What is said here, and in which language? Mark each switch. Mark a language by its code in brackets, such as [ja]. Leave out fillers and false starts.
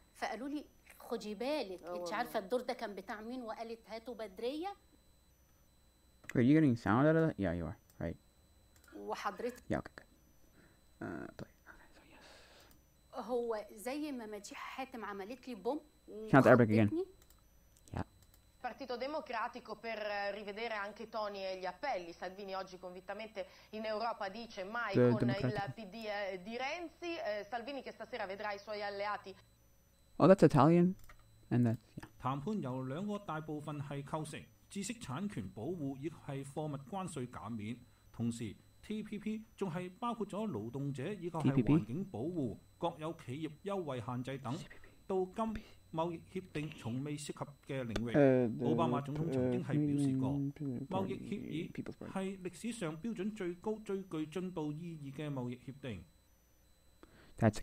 [ar] فقالوا لي خدي بالك انت عارفه الدور ده كان بتاع مين وقالت هاتوا بدريه. [en] Are you getting sound out of that? Yeah, you are. [ar] وحضرتك هو زي ما مديحة حاتم عملت لي بوم كانت [en] Arabic again [it] Partito Democratico per rivedere anche toni e gli appelli. Salvini oggi convintamente in Europa dice mai con il PD di Renzi. Salvini che stasera vedrà i suoi alleati. [en] Oh, that's Italian. And that, yeah. [yue] 谈判有两个大部分是构成知识产权保护，亦系货物关税减免。同时 TPP 仲系包括咗劳动者以及系环境保护、国有企业优惠限制等，到今贸易协定从未涉及嘅领域。奥巴马总统曾经系表示过，贸易协议系历史上标准最高、最具进步意义嘅贸易协定。 [en] That's